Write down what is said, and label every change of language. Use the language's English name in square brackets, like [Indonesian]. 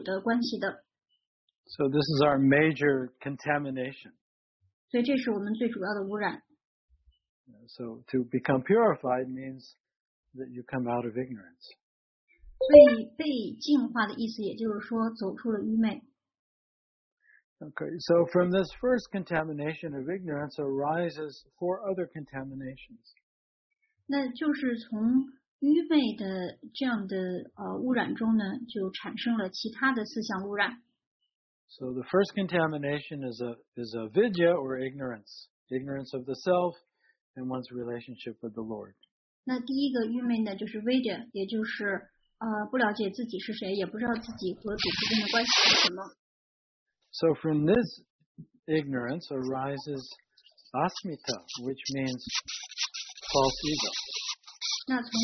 [Chinese] 当jiva灵魂他处在愚昧的时候呢，他是没有办法了解自己是谁，以及他和主的关系的。 [English] So this is our major contamination. [Chinese] 所以这是我们最主要的污染。 [English] So to become purified means that you come out of ignorance. [Chinese] 所以被净化的意思也就是说走出了愚昧。 [English] Okay, so from this first contamination of ignorance arises four other contaminations. [Chinese] 那就是从愚昧的这样的污染中呢，就产生了其他的四项污染。 [English] So the first contamination is a vidya or ignorance of the self and one's relationship with the Lord. [Chinese] 那第一个愚昧呢，就是 vidya， 也就是不了解自己是谁，也不知道自己和主之间的关系是什么。 [English] So from this ignorance arises asmita, which means false ego.